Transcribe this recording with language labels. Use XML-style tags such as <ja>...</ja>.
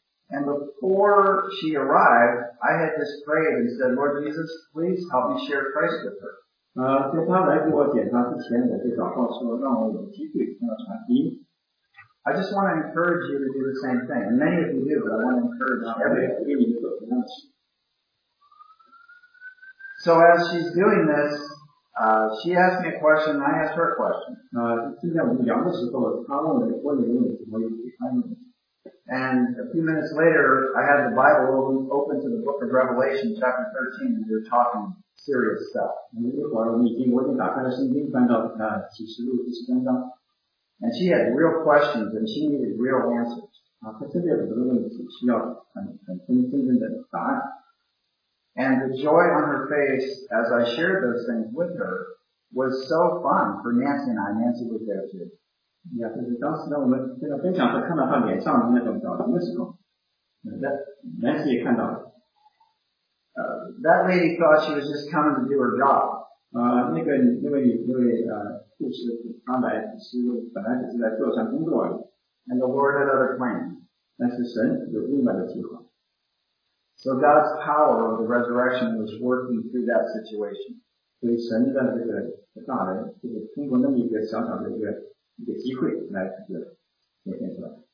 <en>And before she arrived, I had just prayed and said, Lord Jesus, please help me share Christ with her.</en> <zh>在她来给我检查之前，我就祷告说，让我有机会跟她传福音。</zh> <en>I just want to encourage you to do the same thing. Many of you do, but I want to encourage everybody. So as she's doing this, she asked me a question, and I asked her a question.</en> <zh>现在我们聊的时候，她问了一个问题，我怎么去看呢？</zh> <en>And a few minutes later, I had the Bible open to the book of Revelation, chapter 13, and we were talking serious stuff.</en> <zh>一会儿我已经打开了圣经，翻到启示录第十三章。</zh> <en>And she had real questions and she needed real answers.</en> <zh>她这边有很多问题需要很真正的答案。</zh> <en>And the joy on her face as I shared those things with her was so fun for Nancy and I. Nancy was there too.</en> <zh>Yeah, 就是当时呢我们这个分享时看到她脸上的那种表情的时候 Nancy 也看到了。</zh> <en>That lady thought she was just coming to do her job.</en> <zh>那位护士本来只是来做一项工作而已。</zh> <en>And the Lord had other plans.</en> <zh>但是神有另外的计划。</zh> <en>So God's power of the resurrection was working through that situation.</en> <zh>所以神的这个大能，就是通过那么一个小小的一个机会来这个显现出来。</zh>